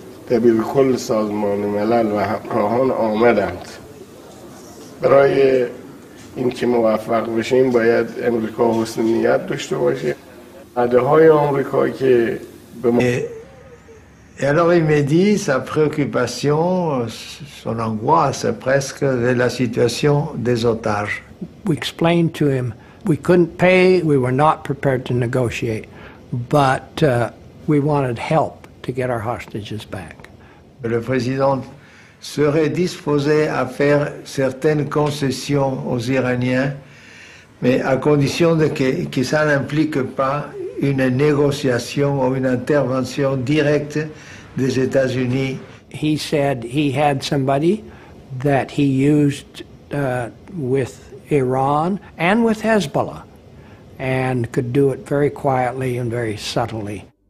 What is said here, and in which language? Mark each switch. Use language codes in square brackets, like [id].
[fa] دبیر کل سازمان ملل و همراهان آمدند برای این که موفق بشیم باید امریکا حسن نیت داشته باشه. عده‌های امریکا که به ما [fr] Et alors il me dit sa préoccupation, son angoisse presque de la situation des otages. [en] We explained to him we couldn't pay, we were not prepared to negotiate, but we wanted help to get our hostages back. [fr] Le président serait disposé à faire certaines concessions aux Iraniens, mais à condition de que ça n'implique pas une négociation ou une intervention directe des États-Unis. [en] He said he had somebody that he used with Iran and with Hezbollah and could do it very quietly and very subtly.